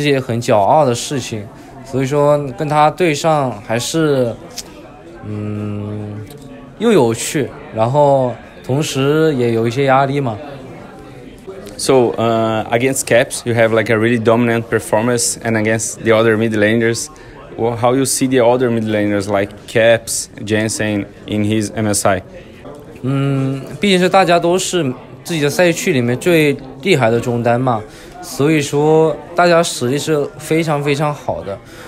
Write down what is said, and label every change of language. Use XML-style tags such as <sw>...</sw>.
<zh>对上Faker的时候，还是有一些压力嘛。打其他的选手其是没有什么特别的压力，但是他是一直都是对我来说是一位偶像一样的，就爱豆一样嘛，就是对我来说挺有感兴趣的一些选手嘛。然后跟他交手也是对我来说很有给自己很骄傲的事情。所以说跟他对上还是，又有趣，然后同时也有一些压力嘛。So</zh> <en>against Caps, you have like a really dominant performance, and against the other mid laners, well, how you see the other mid laners like Caps, Jensen in his MSI?</en> <zh>毕竟是大家都是自己的赛区里面最厉害的中单嘛，所以说大家实力是非常非常好的。</zh>